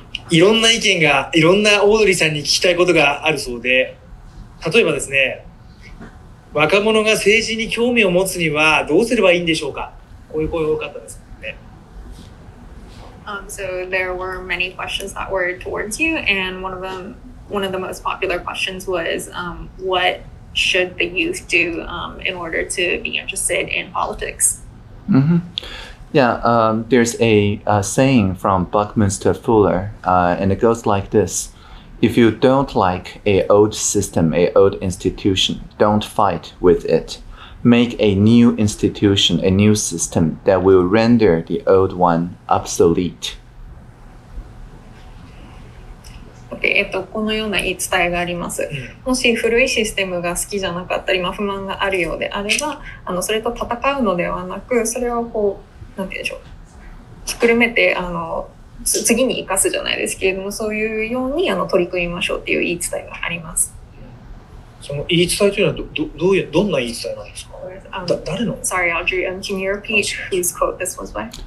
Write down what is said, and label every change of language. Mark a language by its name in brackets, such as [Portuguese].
[Japanese] いろんな意見が、いろんなオードリーさんに聞きたいことがあるそうで、例えばですね、若者が政治に興味を持つにはどうすればいいんでしょうか。こういう声が多かったですね。 [English] So there were many questions that were towards you, and one of the most popular questions was, what. Should the youth do in order to be interested in politics? Mm-hmm. Yeah, there's a saying from Buckminster Fuller, and it goes like this. If you don't like a old system, a old institution, don't fight with it. Make a new institution, a new system that will render the old one obsolete. [Japanese] で、このような言い伝えがあります。もし古いシステムが好きじゃなかったり、不満があるようであれば、それと戦うのではなく、それをこう、なんて言うでしょう。ひっくるめて、次に生かすじゃないですけれども、そういうように取り組みましょうっていう言い伝えがあります。その言い伝えというのは どんな言い伝えなんですか。誰の [English] Sorry, Audrey, can you repeat his quote this was by?